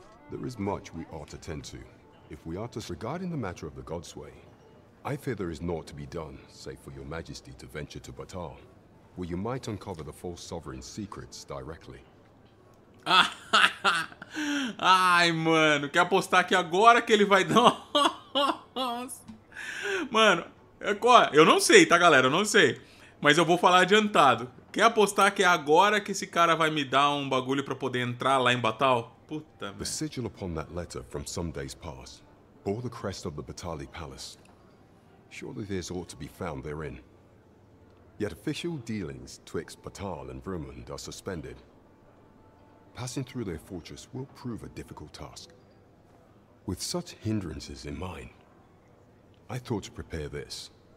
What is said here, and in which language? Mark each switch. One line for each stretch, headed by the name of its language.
English: There is much we ought to tend to. If we are to regard in the matter of the God's way, I fear there is naught to be done, save for your majesty to venture to Batal, where you might uncover the false sovereign's secrets directly.
Portuguese: Ai, mano, quer apostar que agora que ele vai dar? Nossa. Mano, eu não sei, tá, galera? Eu não sei. Mas eu vou falar adiantado. Quer apostar que é agora que esse cara vai me dar um bagulho pra poder entrar lá em Batal? Puta,
English: the sigil upon that letter from some days past bore the crest of the Batali Palace. Surely there's ought to be found therein. Yet official dealings twixt Batal and Vermund are suspended. Passing through their fortress will prove a difficult task. With such hindrances in mind, I thought to prepare this.